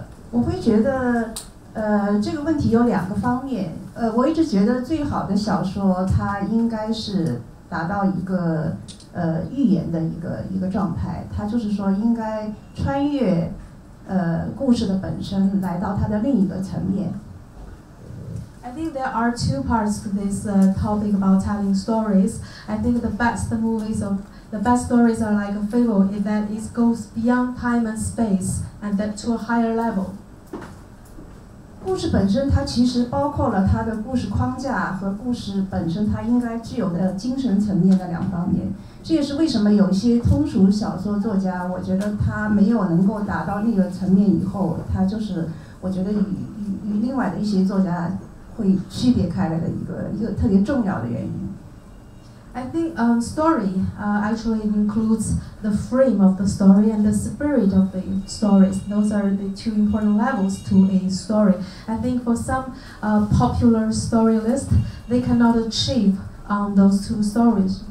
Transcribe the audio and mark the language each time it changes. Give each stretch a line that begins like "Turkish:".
Chinese: 我会觉得，这个问题有两个方面。我一直觉得最好的小说它应该是达到一个寓言的一个状态，它就是说应该穿越。故事的本身来到它的另一个层面。
English: I think there are two parts to this topic about telling stories. I think the best stories are like a fable in that it goes beyond time and space and then to a higher level.
Chinese: 故事本身它其实包括了它的故事框架和故事本身它应该具有的精神层面的两方面。这也是为什么有些通俗小说作家，我觉得他没有能够达到那个层面以后，他就是我觉得与另外的一些作家会区别开来的一个特别重要的原因。
English: I think story actually includes the frame of the story and the spirit of the stories. Those are the two important levels to a story. I think for some popular story lists, they cannot achieve those two stories.